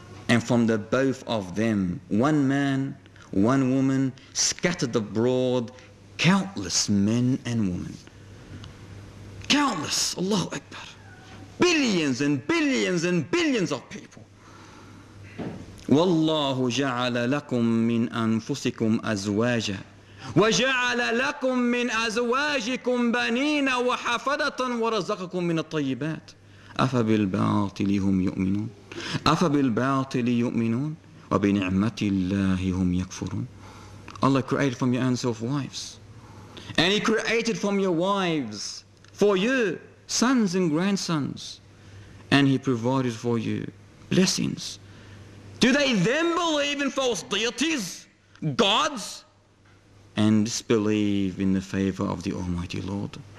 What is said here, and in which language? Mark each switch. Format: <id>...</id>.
<en>And from the both of them, one man, one woman, scattered abroad countless men and women. Countless, Allahu Akbar. Billions and billions and billions of people.</en> <ar>وَاللَّهُ جَعَلَ لَكُم مِّنْ أَنفُسِكُمْ أَزْوَاجًا وَجَعَلَ لَكُم مِّنْ أَزْوَاجِكُمْ بَنِينَ وَحَفَدَةً وَرَزَقَكُم مِّنَ الطَّيِّبَاتِ أَفَبِالْبَاطِلِ هُمْ يُؤْمِنُونَ أَفَبِالْبَاطِلِ يُؤْمِنُونَ وَبِنِعْمَةِ اللَّهِ هُمْ يَكْفُرُونَ</ar> <en>Allah created from your answer of wives. And He created from your wives for you, sons and grandsons. And He provided for you blessings. Do they then believe in false deities, gods? And disbelieve in the favor of the Almighty Lord.</en>